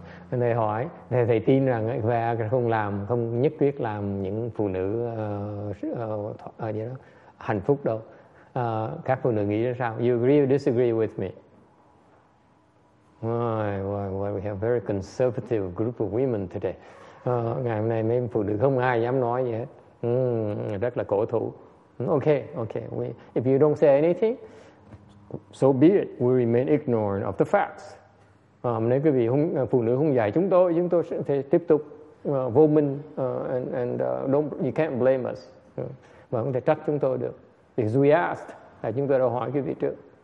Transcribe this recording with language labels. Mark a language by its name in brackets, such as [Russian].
[Vietnamese] Thầy hỏi, thầy tin rằng Viagra không nhất quyết làm những phụ nữ gì đó hạnh phúc đâu. Các phụ nữ nghĩ ra sao? [English] You agree or disagree with me? Why we have a very conservative group of women today. [Vietnamese] Ngày hôm nay mấy phụ nữ không ai dám nói gì hết. Rất là cổ thủ. [English] Okay. If you don't say anything, so be it. We remain ignorant of the facts. [Vietnamese] Nếu quý vị phụ nữ không dạy chúng tôi sẽ tiếp tục vô minh. [English] You can't blame us. [Vietnamese] Mà không thể trách chúng tôi được. [English] Because we asked. [Vietnamese] Là chúng tôi đã hỏi quý vị trước.